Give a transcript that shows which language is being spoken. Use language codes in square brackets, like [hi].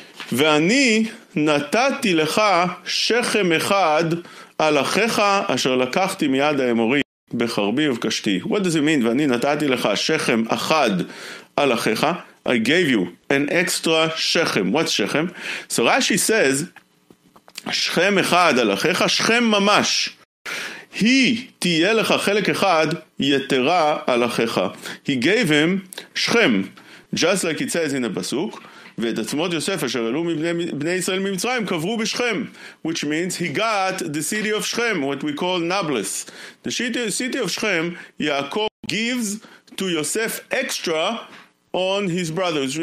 [he] Ve'ani נתתי לך שכם אחד על אחיך אשר לקחתי מיד האמורי בחרבי ובקשתי. [en] What does it mean? [he] ואני נתתי לך שכם אחד על אחיך. [en] I gave you an extra שכם. What's שכם? So Rashi says, [he] שכם אחד על אחיך, שכם ממש. [en] He [he] תהיה לך חלק אחד יתרה על אחיך. [en] He gave him שכם. Just like it says in the pasuk, [he] ואת עצמות יוסף אשר עלו מבני ישראל ממצרים קברו בשכם, [en] which means he got the city of Shechem, what we call Nablus. The city of Shechem, Yaakov gives to Yosef extra on his brothers.